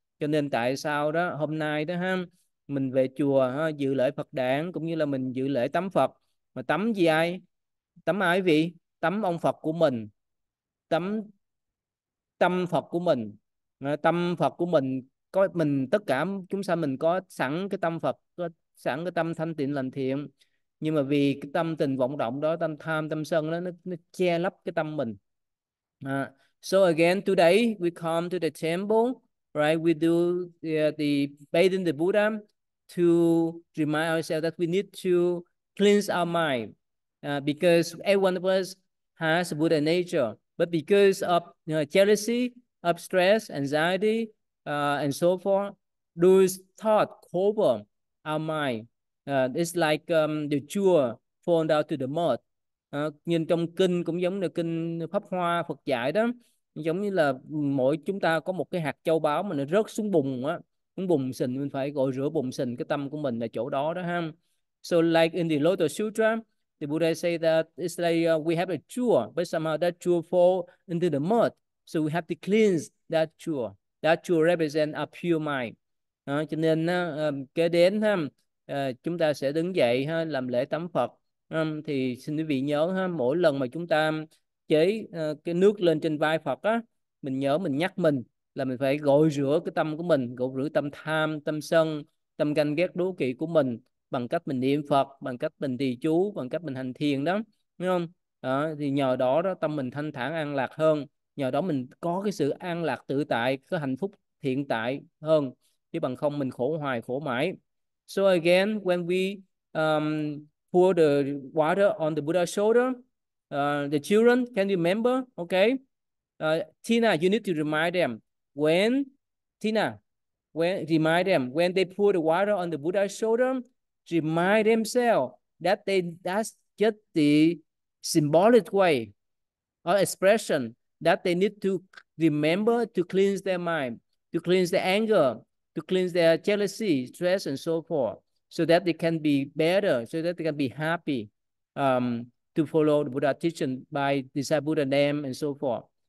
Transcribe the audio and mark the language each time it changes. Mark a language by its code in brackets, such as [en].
[vi] Cho nên tại sao đó hôm nay đó ha, mình về chùa ha, dự lễ Phật đản cũng như là mình dự lễ tắm Phật, mà tắm gì, ai tắm, ai vị tắm ông Phật của mình, tắm tâm Phật của mình. Tâm Phật của mình có mình, tất cả chúng sanh mình có sẵn cái tâm Phật, có sẵn cái tâm thanh tịnh lành thiện, nhưng mà vì cái tâm tình vọng động đó, tâm tham tâm sân đó, nó che lấp cái tâm mình. [en] So again today we come to the temple. Right, we do the bathing the Buddha to remind ourselves that we need to cleanse our mind, because everyone of us has a Buddha nature. But because of jealousy, of stress, anxiety, and so forth, those thoughts cover our mind. It's like the jewel falling down to the mud. [vi] Nhìn trong kinh cũng giống như kinh Pháp Hoa Phật dạy đó. Giống như là mỗi chúng ta có một cái hạt châu báu mà nó rớt xuống bùn á, xuống bùn sình, mình phải gội rửa bùn sình cái tâm của mình là chỗ đó đó ha. [en] So like in the Lotus Sutra, the Buddha say that it's like we have a jewel, but somehow that jewel fall into the mud. So we have to cleanse that chua. That chua represents a pure mind. [vi] Cho nên kế đến chúng ta sẽ đứng dậy làm lễ tắm Phật. Thì xin quý vị nhớ mỗi lần mà chúng ta chế cái nước lên trên vai Phật á, mình nhớ mình nhắc mình là mình phải gội rửa cái tâm của mình, gội rửa tâm tham, tâm sân, tâm ganh ghét đố kỵ của mình bằng cách mình niệm Phật, bằng cách mình trì chú, bằng cách mình hành thiền đó, đúng không? Thì nhờ đó đó tâm mình thanh thản an lạc hơn, nhờ đó mình có cái sự an lạc tự tại, cái hạnh phúc hiện tại hơn, chứ bằng không mình khổ hoài khổ mãi. [en] So again, when we pour the water on the Buddha's shoulder, the children, can you remember? Okay. Tina, you need to remind them. When Tina, when remind them when they pour the water on the Buddha's shoulder, remind themselves that they that's just the symbolic way or expression that they need to remember to cleanse their mind, to cleanse their anger, to cleanse their jealousy, stress, and so forth, so that they can be better, so that they can be happy to follow the Buddha teaching by disciple Buddha name and so forth.